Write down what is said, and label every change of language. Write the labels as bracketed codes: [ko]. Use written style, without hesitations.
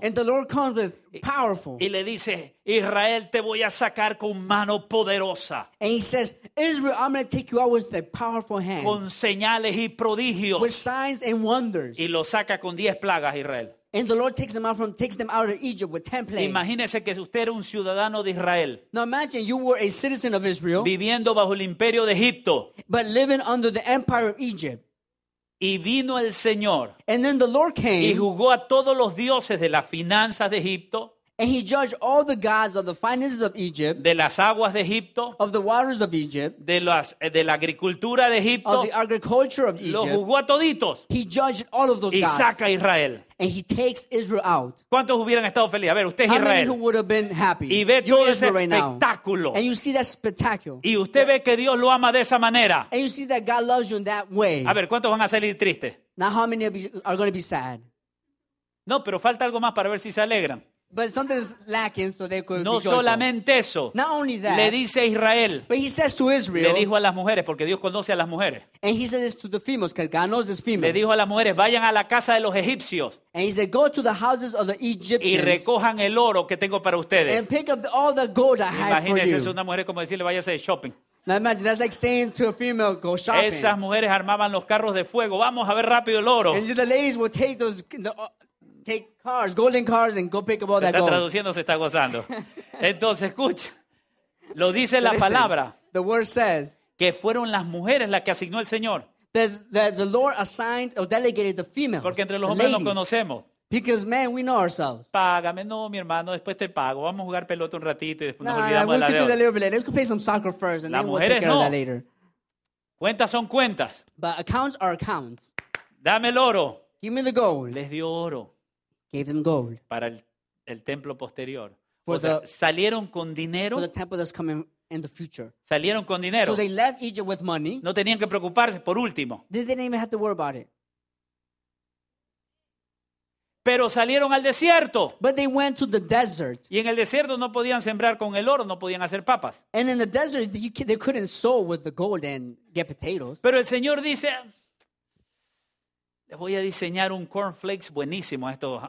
[en] And the Lord comes with powerful. [es] Y le dice, Israel, te voy a sacar con mano poderosa. [en] And he says, Israel, I'm going to take you out with a powerful hand. [es] Con señales y prodigios. [en] With signs and wonders. [es] Y lo saca con 10 plagas, Israel. [en] And the Lord takes them out of Egypt with 10 plagues. [es] Imagínese que usted era un ciudadano de Israel. [en] Now imagine you were a citizen of Israel. [es] Viviendo bajo el imperio de Egipto. [en] But living under the empire of Egypt. [es] Y vino el Señor. [en] And then the Lord came. [es] Y jugó a todos los dioses de las finanzas de Egipto. [en] And he judged all the gods of the finances of Egypt, [es] de las aguas de Egipto, [en] of the waters of Egypt, [es] de la agricultura de Egipto, [en] of the agriculture of Egypt. [es] Lo juzgó a toditos. [en] He judged all of those [es] y [en] gods. [es] Y saca a Israel. [en] And he takes Israel out. [es] ¿Cuántos hubieran estado felices? A ver, usted es Israel. [en] How many who would have been happy? [es] Y ve todo ese espectáculo. [en] And you see that spectacle. [es] Y usted ve que Dios lo ama de esa manera. [en] And you see that God loves you in that way. [es] A ver, ¿cuántos van a salir tristes? [en] Now how many are going to be sad? [es] No, pero falta algo más para ver si se alegran. [en] But something's lacking, so they could [es] no [en] be [es] solamente eso. [en] Not only that, [es] le dice a Israel. [en] But he says to Israel. [es] Le dijo a las mujeres, porque Dios conoce a las mujeres. [en] And he says this to the females, because God knows the females. [es] Le dijo a las mujeres, vayan a la casa de los egipcios. [en] And he said, go to the houses of the Egyptians. [es] Y recojan el oro que tengo para ustedes. [en] And pick up all the gold I have for you. [es] Imagínense, es una mujer como decirle, váyase de shopping. [en] Now imagine, that's like saying to a female, go shopping. [es] Esas mujeres armaban los carros de fuego. Vamos a ver rápido el oro. [en] And the ladies will take those... Take cars, golden cars, and go pick up all that gold. [es] Está traduciendo, se está gozando. Entonces, escucha. Lo dice la palabra. [en] The word says. [es] Que fueron las mujeres las que asignó el Señor. [en] That the Lord assigned or delegated the females. [es] Porque entre los hombres nos conocemos. [en] Because men, we know ourselves. [es] Págame, no, mi hermano, después te pago. Vamos a jugar pelota un ratito y después nos olvidamos de la deuda. [en] We'll do that a little bit later. Let's go play some soccer first and then we'll take care of that later. [es] Cuentas son cuentas. [en] But accounts are accounts. [es] Dame el oro. [en] Give me the gold. [es] Les dio oro. [en] Gave them gold. [es] Para el templo posterior. Salieron con dinero. [en] For the temple that's coming in the future. [es] Salieron con dinero. [en] So they left Egypt with money. [es] No tenían que preocuparse, por último. [en] They didn't even have to worry about it. [es] Pero salieron al desierto. [en] But they went to the desert. [es] Y en el desierto no podían sembrar con el oro, no podían hacer papas. [en] And in the desert, they couldn't sow with the gold and get potatoes. [es] Pero el Señor dice... Voy a diseñar un cornflakes buenísimo a estos